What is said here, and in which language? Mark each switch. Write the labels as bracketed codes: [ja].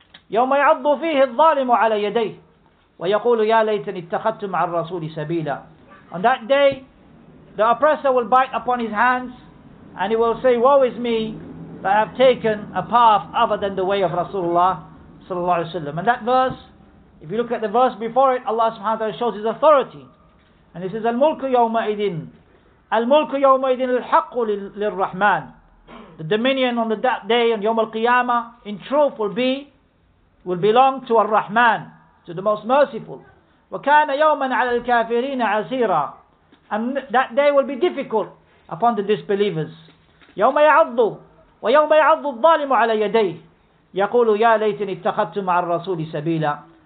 [ar] يَوْمَ يَعَضُّ فِيهِ الظَّالِمُ عَلَى يَدَيْهِ وَيَقُولُ يَا لَيْتَنِ اتَّخَذْتُ مَعَ الرَّسُولِ سَبِيلًا. [en] On that day, the oppressor will bite upon his hands, and he will say, woe is me, that I have taken a path other than the way of Rasulullah sallallahu alaihi wasallam. And that verse, if you look at the verse before it, Allah subhanahu wa ta'ala shows his authority. And he says, [ar] الْمُلْكُ يَوْمَئِذٍ الْمُلْكُ يَوْمَئِذٍ الْحَقُّ لِلرَّحْمَنِ. [en] The dominion on that day, on Yawm al-Qiyamah, in truth will belong to Ar-Rahman, to the Most Merciful. [ar] وَكَانَ يَوْمًا عَلَى الْكَافِرِينَ عَسِيرًا. [en] And that day will be difficult upon the disbelievers. [ar] يَوْمَ يَعَضُّ وَيَوْمَ يَعَضُّ الظَّالِمُ عَلَى يَدَيْهِ يَقُولُ يَا لَيْتِنِ اتَّخَذْتُ مَعَ الرَّسُولِ سَبِيلًا.